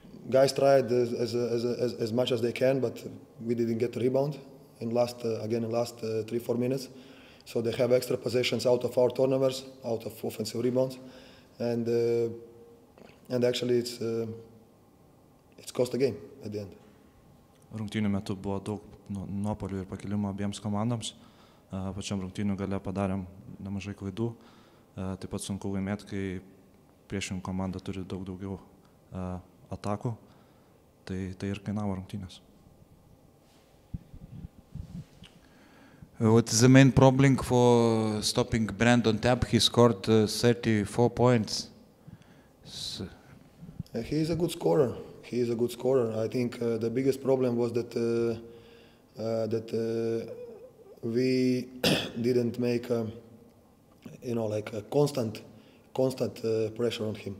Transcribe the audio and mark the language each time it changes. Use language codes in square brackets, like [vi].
[en] Guys tried as much as they can, but we didn't get a rebound in last 3-4 minutes. So they have extra possessions out of our turnovers, out of offensive rebounds, and actually it's cost the game at the end. [lt] Rungtynių metu buvo daug nuopolių ir pakilimų abiems komandoms. Pačiam rungtynių gale padarėm nemažai klaidų. Taip pat sunku laimėti, kai priešininkų komanda turi daug daugiau atakų. Tai ir kainavo rungtynės. [en] What is the main problem for stopping Brandon Tapp? He scored 34 points. He is a good scorer. He is a good scorer. I think the biggest problem was that we didn't make a constant pressure on him.